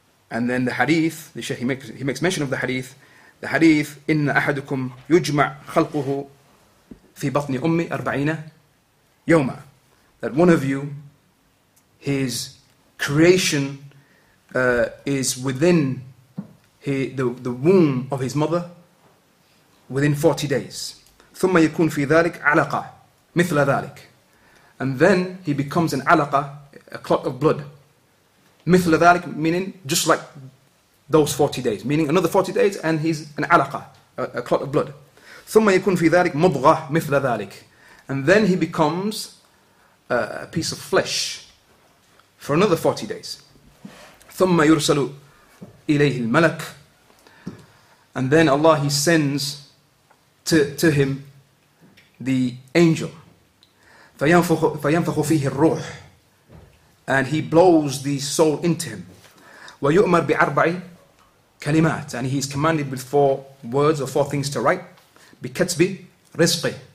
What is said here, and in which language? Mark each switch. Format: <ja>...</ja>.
<en>And then the hadith, the Sheikh, he makes mention of the hadith</en> <ar>إن أحدكم يجمع خلقه في بطن أمي 40 يوما,</ar> <en>that one of you, his creation is within the womb of his mother within 40 days.</en> <ar>ثم يكون في ذلك علقة مثل ذلك.</ar> <en>And then he becomes an علقة, a clot of blood.</en> <ar>مثل ذلك,</ar> <en>meaning just like those 40 days. Meaning another 40 days and he's an علقة, a clot of blood.</en> <ar>ثم يكون في ذلك مضغة مثل ذلك.</ar> <en>And then he becomes a piece of flesh for another 40 days.</en> <ar>ثم يرسل إليه الملك.</ar> <en>And then Allah, he sends to him the angel,</en> <ar>فَيَنْفَخُ فِيهِ الرُّوحِ,</ar> <en>and he blows the soul into him,</en> <ar>وَيُؤْمَرْ بِعَرْبَعِ كَلِمَاتِ,</ar> <en>and he is commanded with four words or four things to write,</en> <ar>بِكَتْبِ رِزْقِ,</ar>